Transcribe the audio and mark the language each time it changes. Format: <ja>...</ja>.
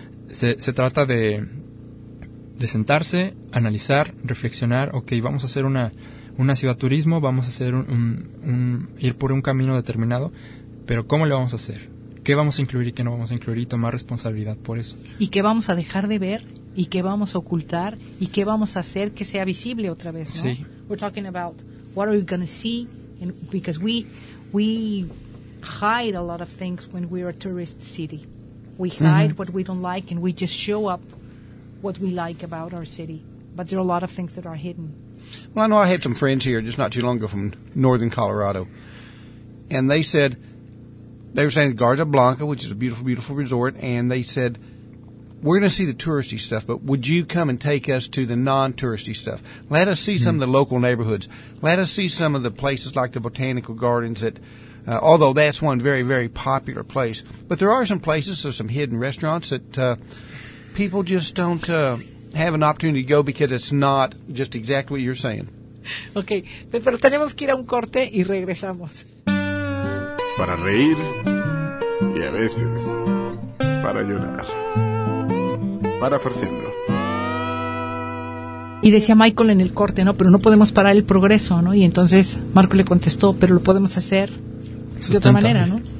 <es>Se trata de sentarse, analizar, reflexionar, ok, vamos a hacer una ciudad turismo, vamos a hacer un ir por un camino determinado, pero ¿cómo lo vamos a hacer? ¿Qué vamos a incluir y qué no vamos a incluir? Y tomar responsabilidad por eso. ¿Y qué vamos a dejar de ver? ¿Y qué vamos a ocultar? ¿Y qué vamos a hacer que sea visible otra vez, ¿no? Sí.</es> <en>We're talking about what are we going to see, and because we hide a lot of things when we are a tourist city. We hide what we don't like and we just show up what we like about our city. But there are a lot of things that are hidden. Well, I know I had some friends here just not too long ago from northern Colorado, and they were saying Garza Blanca, which is a beautiful, beautiful resort, and they said, we're going to see the touristy stuff, but would you come and take us to the non-touristy stuff? Let us see some of the local neighborhoods. Let us see some of the places like the botanical gardens that, although that's one very, very popular place. But there are some places, so some hidden restaurants that people just don't have an opportunity to go because it's not just exactly what you're saying.</en> <es>Okay, pero tenemos que ir a un corte y regresamos. Para reír y a veces para llorar. Para farciendo. Y decía Michael en el corte, ¿no? Pero no podemos parar el progreso, ¿no? Y entonces Marco le contestó, pero lo podemos hacer de otra manera, ¿no?</es>